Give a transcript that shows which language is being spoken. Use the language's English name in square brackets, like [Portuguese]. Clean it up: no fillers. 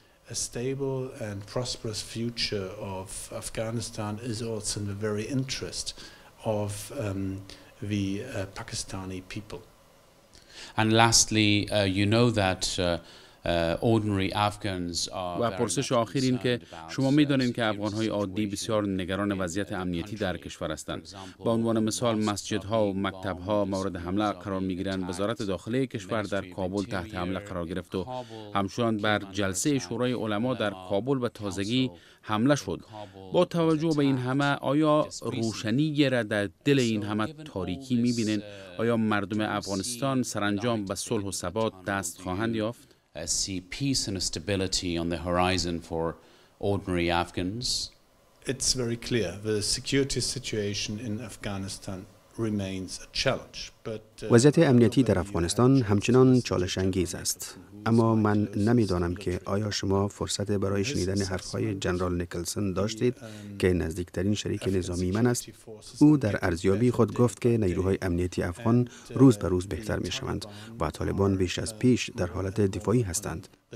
[English] A stable and prosperous future of Afghanistan is also in the very interest of the Pakistani people. And lastly, you know that ordinary Afghans are. [Persian] و پرسش آخر این که شما می دانید که افغان های عادی بسیار نگران وضعیت امنیتی در کشور هستند. با عنوان مثال مسجدها و مکتب ها مورد حمله قرار می گیرند. وزارت داخله کشور در کابل تحت حمله قرار گرفت و همچنان بر جلسه شورای علما در کابل به تازگی حمله شد. با توجه به این همه آیا روشنی گره در دل این همه تاریکی می بینید؟ آیا مردم افغانستان سرانجام به صلح و ثبات دست خواهند یافت؟ [English] I see peace and stability on the horizon for ordinary Afghans. It's very clear the security situation in Afghanistan remains a challenge. But [Persian] وضعیت امنیتی در افغانستان همچنان چالش انگیز است. اما من نمی‌دانم که آیا شما فرصت برای شنیدن حرف‌های جنرال نیکلسون داشتید که نزدیکترین شریک نظامی من است. او در ارزیابی خود گفت که نیروهای امنیتی افغان روز به روز بهتر می‌شوند و طالبان بیش از پیش در حالت دفاعی هستند.